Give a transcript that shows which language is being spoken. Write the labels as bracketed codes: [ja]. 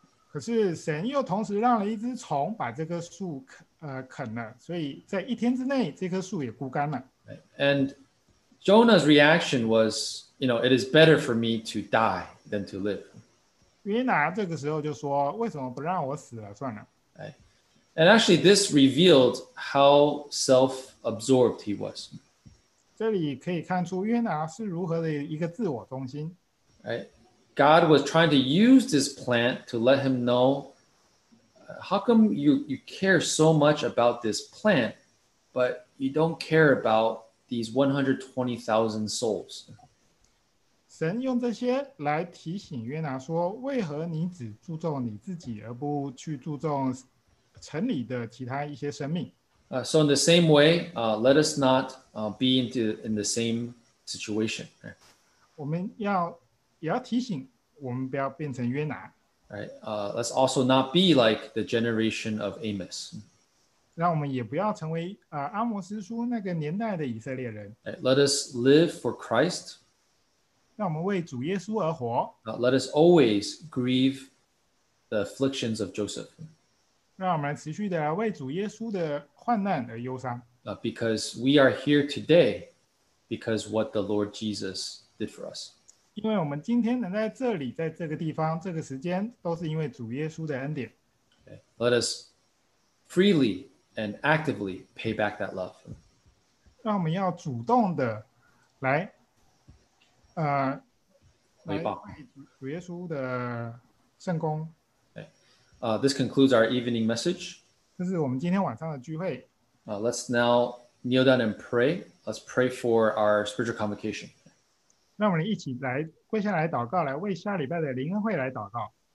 [zh] 可是神又同时让了一只虫把这棵树啃了，所以在一天之内这棵树也枯干了。 [en] And Jonah's reaction was, you know, it is better for me to die than to live. [zh] 约拿这个时候就说，为什么不让我死了算了。 [en] And actually, this revealed how self-absorbed he was. [zh] 这里可以看出约拿是如何的一个自我中心。 [en] God was trying to use this plant to let him know, how come you care so much about this plant, but you don't care about these 120,000 souls? [zh] 神用这些来提醒约拿说，为何你只注重你自己，而不去注重城里的其他一些生命？ [en] So in the same way, let us not be in the same situation. [zh] 我们也要提醒我们不要变成约拿。 [en] Let's also not be like the generation of Amos. [zh] 让我们也不要成为阿摩斯书那个年代的以色列人。 [en] Let us live for Christ. [zh] 让我们为主耶稣而活。 [en] Let us always grieve the afflictions of Joseph. [zh] 让我们持续的为主耶稣的患难而忧伤。 [en] Because we are here today because what the Lord Jesus did for us. [zh] 因为我们今天能在这里，在这个地方，这个时间，都是因为主耶稣的恩典。 [en] Let us freely and actively pay back that love. [zh] 让我们要主动的来回报主耶稣的圣功。 [en] This concludes our evening message. [zh] 这是我们今天晚上的聚会。 [en] Let's now kneel down and pray. Let's pray for our spiritual convocation. [zh] 让我们一起来跪下来祷告，来为下礼拜的灵恩会来祷告。